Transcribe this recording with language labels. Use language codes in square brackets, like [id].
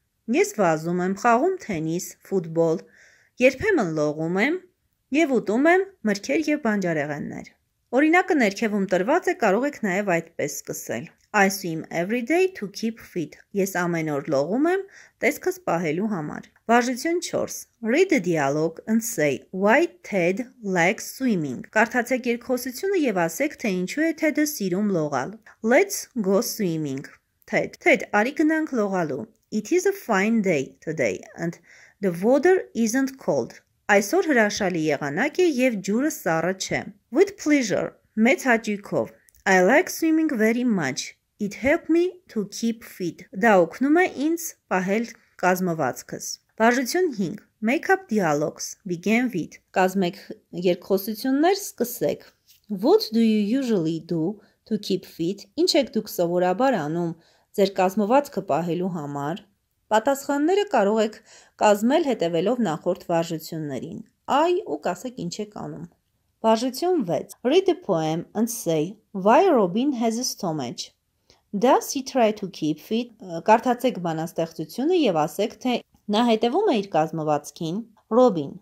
[hy] Ես վազում եմ, խաղում թենիս, ֆուտբոլ, երբեմն լողում եմ եւ ուտում եմ մրգեր եւ բանջարեղեններ։ Օրինակը ներքևում տրված է, կարող եք նաեւ այդպես սկսել. [en] I swim every day to keep fit. [hy] Ես ամեն օր լողում եմ տեսքս պահելու համար։ Վարժություն 4. [en] Read the dialogue and say why Ted likes swimming. [hy] Կարդացեք երկխոսությունը եւ ասեք, թե ինչու է Ted-ը սիրում լողալ։ [en] Let's go swimming. Ted. Ted, [hy] արի գնանք լողալու։ [en] It is a fine day today and the water isn't cold. [hy] Այսօր հրաշալի եղանակ է եւ ջուրը սառը չէ։ [en] With pleasure. [hy] Մեծ հաճույքով։ [en] I like swimming very much. It helps me to keep fit. [hy] Դա օգնում է ինձ պահել կազմվածքս։ Վարժություն 5. [en] Make up dialogues. Begin with. [hy] Կազմեք երկխոսություններ, սկսեք։ [en] What do you usually do to keep fit? [hy] Ինչ եք դուք սովորաբար անում ձեր կազմվածքը պահելու համար? Պատասխանները կարող եք կազմել հետևելով նախորդ վարժություններին։ Այ ու կասեք ինչ եք անում։ Վարժություն 6. [en] Read the poem and say why Robin has a stomach. Does he try to keep fit? [hy] Կարդացեք բանաստեղծությունը եւ ասեք, թե նա հետևում է իր կազմվածքին։ Robin.